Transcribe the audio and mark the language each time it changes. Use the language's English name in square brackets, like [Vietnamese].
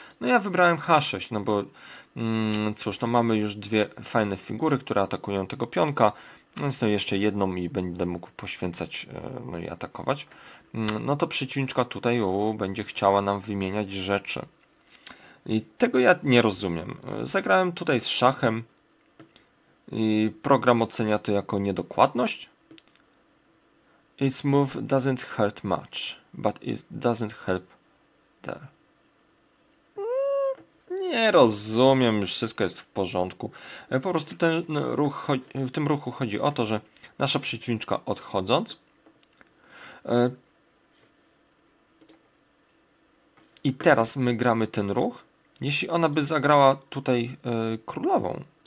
[Polish] No ja wybrałem H6, no bo cóż, no mamy już dwie fajne figury, które atakują tego pionka, więc to jeszcze jedną mi będę mógł poświęcać, no i atakować. No to przeciwniczka tutaj będzie chciała nam wymieniać rzeczy. I tego ja nie rozumiem. Zagrałem tutaj z szachem. I program ocenia to jako niedokładność. [English] Its move doesn't hurt much, but it doesn't help there. [Polish] Nie rozumiem, wszystko jest w porządku. Po prostu w tym ruchu chodzi o to, że nasza przeciwniczka odchodząc. I teraz my gramy ten ruch. Jeśli ona by zagrała tutaj królową.